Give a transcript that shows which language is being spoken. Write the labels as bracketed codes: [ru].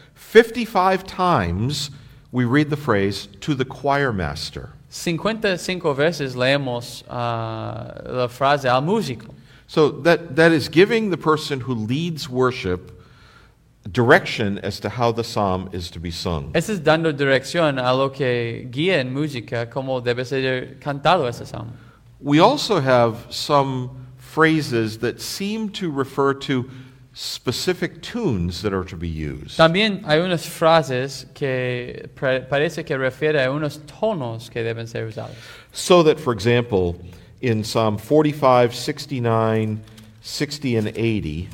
[en] 55 times we read the phrase, to the choir master. [es] 55 veces leemos la frase al músico. [en] So that is giving the person who leads worship direction as to how the psalm is to be sung. [es] Eso es dando dirección a lo que guía en música cómo debe ser cantado ese psalm. [en] We also have some phrases that seem to refer to specific tunes that are to be used. [es] También hay unas frases que parece que refiere a unos tonos que deben ser usados. [en] So that, for example, in Psalm 45, 69, 60 and 80.